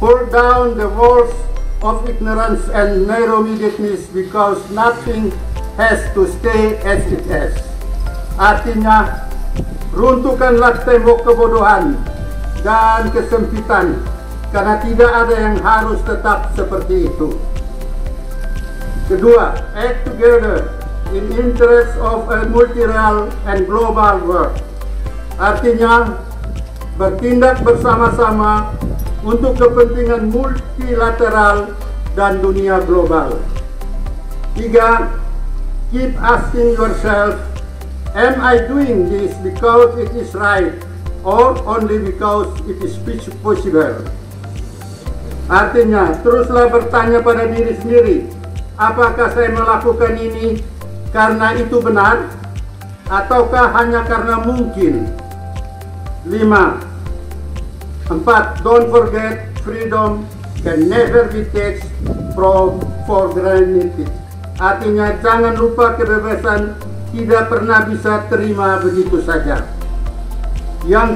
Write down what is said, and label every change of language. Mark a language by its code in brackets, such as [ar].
[en] Pull down the walls of ignorance and narrow-mindedness because nothing has to stay as it is. [id] Artinya, runtuhkanlah tembok kebodohan dan kesempitan karena tidak ada yang harus tetap seperti itu. 2. [en] Act together in interest of a multilateral and global world. [id] Artinya, bertindak bersama-sama untuk kepentingan multilateral dan dunia global. 3. [en] Keep asking yourself, am I doing this because it is right or only because it is possible? [id] Artinya, teruslah bertanya pada diri sendiri, apakah saya melakukan ini karena itu benar ataukah hanya karena mungkin? 4. [en] Don't forget, freedom can never be taken for granted. [id] Artinya, jangan lupa kebebasan tidak pernah bisa terima begitu saja. 5.